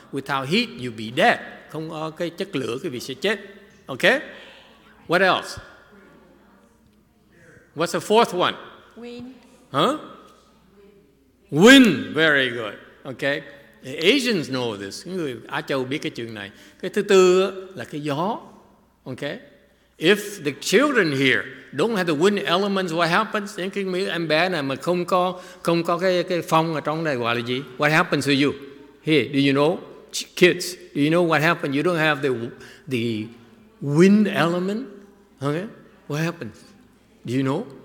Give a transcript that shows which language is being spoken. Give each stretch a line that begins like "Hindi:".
English: Without heat, you be dead.
Vietnamese: Không có cái chất lửa, cái vị sẽ chết.
English: Okay? What else? What's the fourth one? Wind. Huh? Wind. Very good. Okay. The Asians know this.
Vietnamese: Người Á Châu biết cái chuyện này. Cái thứ tư là cái gió. Okay.
English: If the children here don't have the wind elements, what happens?
Vietnamese: Những cái em bé này mà không có cái phong ở trong này gọi là gì?
English: What happens to you? Hey, do you know? Kids, do you know what happens? You don't have the wind element? Okay. What happens? Do you know?